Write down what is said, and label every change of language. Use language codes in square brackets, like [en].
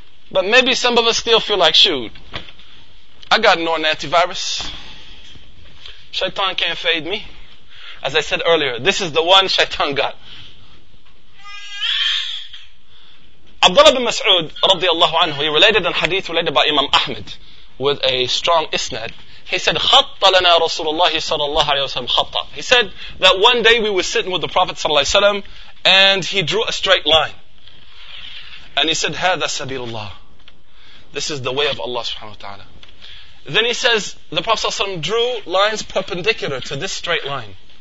[en] But maybe some of us still feel like, shoot, I got no antivirus. Shaitan can't fade me. As I said earlier, this is the one shaitan got. Abdullah bin Mas'ud, radiallahu anhu, he related a hadith related by Imam Ahmed with a strong isnad. He said, [ar] خَطَّ لَنَا رَسُولُ اللَّهِ صَلَى اللَّهُ عَلَيْهِ وَسَلَمْ خَطَّ. [en] He said that one day we were sitting with the Prophet sallallahu alayhi wa sallam and he drew a straight line. And he said, [ar] هَذَا سَبِيلُ اللَّهِ. [en] This is the way of Allah subhanahu wa ta'ala. Then he says, the Prophet ﷺ drew lines perpendicular to this straight line.